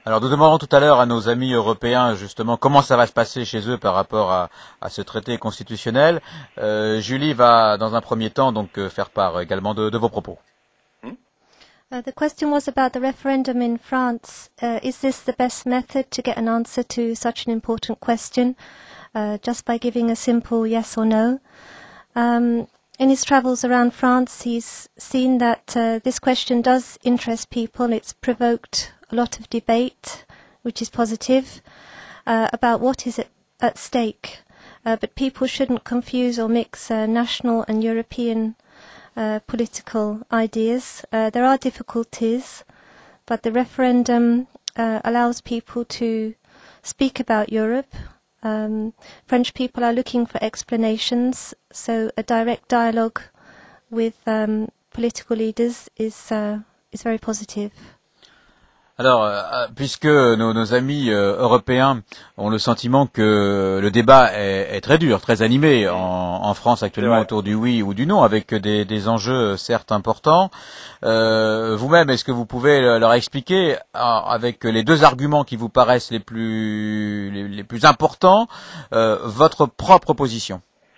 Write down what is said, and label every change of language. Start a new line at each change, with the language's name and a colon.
French: Alors nous demanderons tout à l'heure à nos amis européens justement comment ça va se passer chez eux par rapport à ce traité constitutionnel. Julie va dans un premier temps donc faire part également de vos propos.
English: The question was about the referendum in France. Is this the best method to get an answer to such an important question, just by giving a simple yes or no? In his travels around France, he's seen that this question does interest people. It's provoked a lot of debate, which is positive, about what is at stake. But people shouldn't confuse or mix national and European political ideas. There are difficulties, but the referendum allows people to speak about Europe. French people are looking for explanations, so a direct dialogue with political leaders is very positive.
French: Alors, puisque nos amis européens ont le sentiment que le débat est très dur, très animé en France actuellement autour du oui ou du non, avec des enjeux certes importants, vous-même, est-ce que vous pouvez leur expliquer, avec les deux arguments qui vous paraissent les plus importants, votre propre position ?